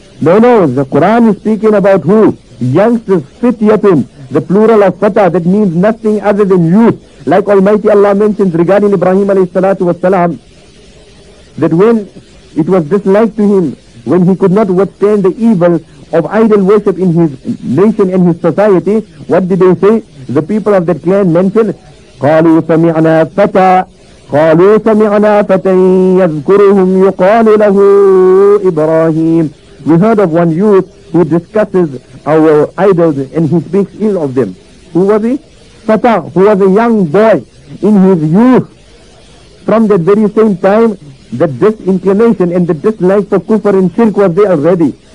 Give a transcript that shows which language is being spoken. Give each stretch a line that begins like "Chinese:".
English: No, the Quran is speaking about who? Youngsters, fit yatim, the plural of fata, that means nothing other than youth. Like Almighty Allah mentions regarding Ibrahim alayhi salatu wasalam, that when it was disliked to him, when he could not withstand the evil of idol worship in his nation and his society, what did they say? The people of that clan mentioned,
Arabic: قَالُوا سَمِعْنَا فَتَى قَالُوا سَمِعْنَا فَتَىٰن يَذْكُرُهُمْ يُقَالُ لَهُ إِبْرَاهِيمُ.
English: We heard of one youth who discusses our idols and he speaks ill of them. Who was he? Fata, who was a young boy in his youth. From that very same time, the disinclination and the dislike for kufr and shirk was there already.